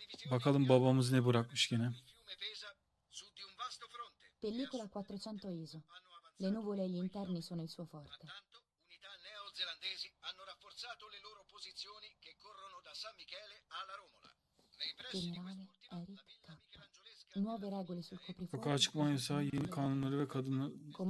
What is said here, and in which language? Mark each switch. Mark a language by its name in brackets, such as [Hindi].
[Turkish] Bakalım babamız ne bırakmış gene. [Italian] Pellicola 400 ISO. Le nuvole e gli interni sono il suo forte. Unità neozelandesi hanno rafforzato le loro posizioni che corrono da San Michele alla Romola. Nei pressi di quest'ultima nuove regole sul coprifuoco. [Turkish] Sokağa çıkma yasağı yeni kanunları ve kadını